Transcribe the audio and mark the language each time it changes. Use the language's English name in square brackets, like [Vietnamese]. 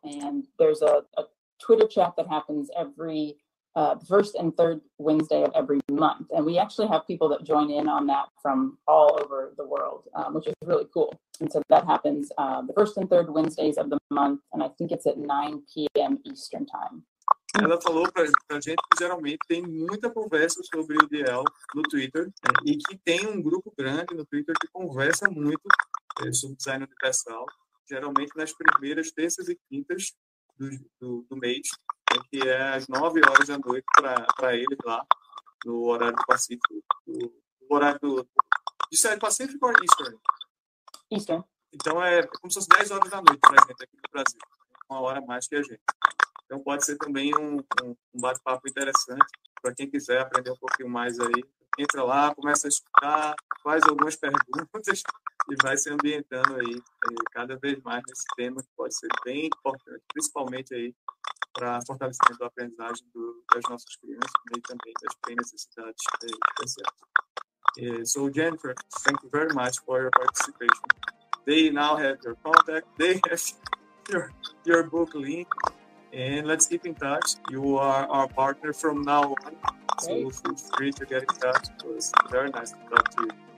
[English] And there's a Twitter chat that happens every first and third Wednesday of every month. And we actually have people that join in on that from all over the world, which is really cool. And so that happens the first and third Wednesdays of the month. And I think it's at 9 p.m. Eastern time. [Portuguese] Ela falou para a gente que geralmente tem muita conversa sobre o UDL no Twitter, né, e que tem um grupo grande no Twitter que conversa muito sobre design universal, geralmente nas primeiras terças e quintas do mês, né, que é às 9 horas da noite para eles lá, no horário do Pacífico. O horário do. Isso é Pacífico ou Eastern? [English] Eastern. [Portuguese] Então é como se fosse 10 horas da noite para a gente aqui no Brasil, uma hora a mais que a gente. Então, pode ser também um bate-papo interessante para quem quiser aprender um pouquinho mais aí. Entra lá, começa a escutar, faz algumas perguntas e vai se ambientando aí cada vez mais nesse tema que pode ser bem importante, principalmente aí para fortalecimento da aprendizagem das nossas crianças e também das necessidades especiais. [English] So, Jennifer, thank you very much for your participation. They now have your contact, they have your book link. And let's keep in touch. You are our partner from now on. Great. So feel free to get in touch. It was very nice to talk to you.